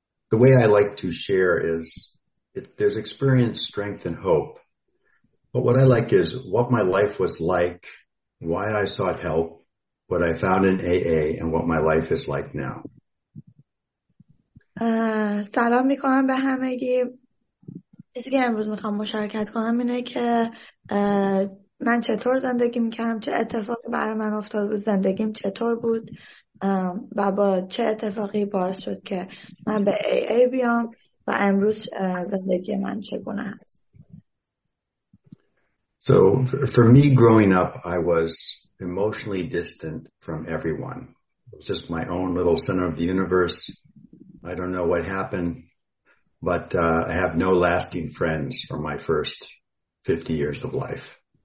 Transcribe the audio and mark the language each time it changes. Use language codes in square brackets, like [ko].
[en] The way I like to share is there's experience, strength, and hope. But what I like is what my life was like, why I sought help, what I found in AA, and what my life is like now. [fa] سلام میکنم به همگی. چیزی که امروز میخوام مشارکت کنم اینه که من چطور زندگی میکردم، چه اتفاقی برای من افتاد بود، زندگیم چطور بود و با چه اتفاقی باعث شد که من به AA بیام و امروز زندگی من چگونه هست. [en] So for me growing up, I was emotionally distant from everyone. It was just my own little center of the universe. I don't know what happened, but I have no lasting friends from my first 50 years of life.